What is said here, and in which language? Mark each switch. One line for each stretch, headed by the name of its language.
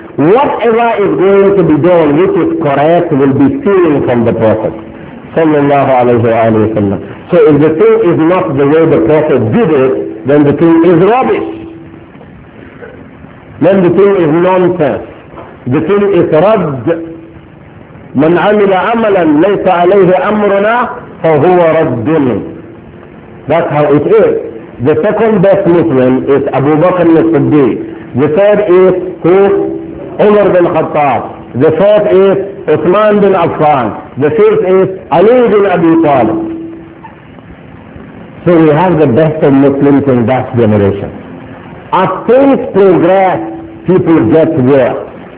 English: Whatever is going to be done, which is correct, will be stealing from the Prophet sallallahu alayhi wa sallam. So if the thing is not the way the Prophet did it, then the thing is rubbish. Then the thing is nonsense. The thing is radd.
Arabic: من عمل عملا ليس عليه أمرنا فهو رد.
English: That's how it is. The second best Muslim is Abu Bakr al-Siddiq. The third is who? Umar bin Khattab. The fourth is Uthman bin Affan. The fifth is Ali bin Abi Talib. So we have the best of Muslims in that generation. As things progress, people get worse.